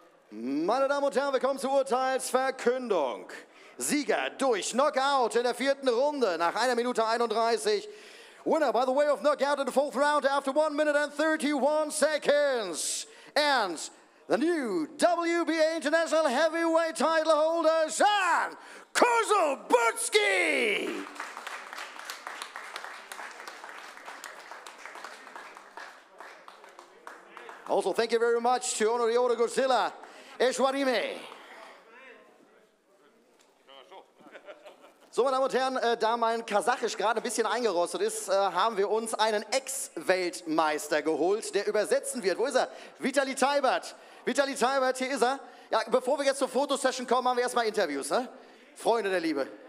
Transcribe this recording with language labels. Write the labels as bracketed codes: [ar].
[de] Meine Damen und Herren, willkommen zur Urteilsverkündung. Sieger durch Knockout in der vierten Runde nach 1 Minute 31. [en] Winner by the way of knockout in the fourth round after 1 minute and 31 seconds. And the new WBA International Heavyweight Title Holder, Schan Kosobutski! Also, thank you very much to Honor the Order Godzilla. Eshwarime. [de] So, meine Damen und Herren, da mein Kasachisch gerade ein bisschen eingerostet ist, haben wir uns einen Ex-Weltmeister geholt, der übersetzen wird. Wo ist er? Vitali Teibert. Vitali Teibert, hier ist er. Ja, bevor wir jetzt zur Fotosession kommen, machen wir erstmal Interviews, ne? Freunde der Liebe.